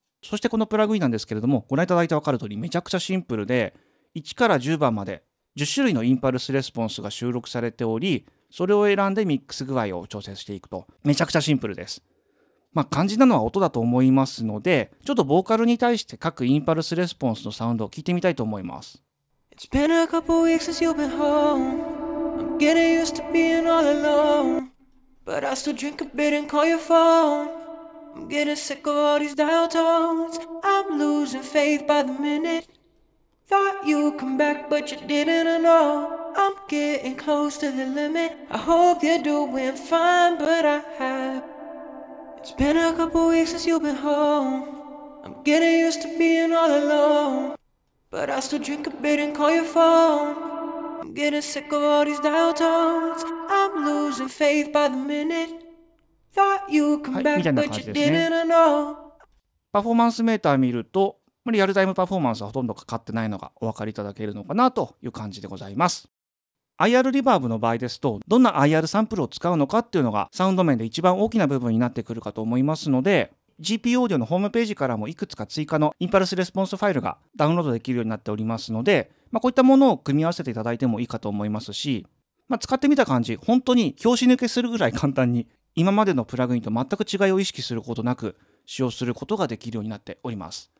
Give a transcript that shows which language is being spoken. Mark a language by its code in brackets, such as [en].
[ja] そしてこのプラグインなんですけれども、ご覧いただいて分かる通りめちゃくちゃシンプルで、1から10番まで10種類のインパルスレスポンスが収録されており、それを選んでミックス具合を調整していくと、めちゃくちゃシンプルです。まあ肝心なのは音だと思いますので、ちょっとボーカルに対して各インパルスレスポンスのサウンドを聞いてみたいと思います。 [en] It's been a couple weeks since you've been home. I'm getting used to being all alone. But I still drink a bit and call your phone. I'm getting sick of all these dial tones. I'm losing faith by the minute. Thought you'd come back, but you didn't. I know. I'm getting close to the limit. I hope you're doing fine, but I have. It's been a couple weeks since you've been home. I'm getting used to being all alone. But I still drink a bit and call your phone. I'm getting sick of all these dial tones. I'm losing faith by the minute. Thought you'd come back, but you didn't know. [ja] パフォーマンスメーター見ると、リアルタイムパフォーマンスはほとんどかかってないのがお分かりいただけるのかなという感じでございます。 IR リバーブの場合ですと、どんな IR サンプルを使うのかっていうのがサウンド面で一番大きな部分になってくるかと思いますので、GP オーディオのホームページからもいくつか追加のインパルスレスポンスファイルがダウンロードできるようになっておりますので、こういったものを組み合わせていただいてもいいかと思いますし、使ってみた感じ、本当に拍子抜けするぐらい簡単に今までのプラグインと全く違いを意識することなく使用することができるようになっております。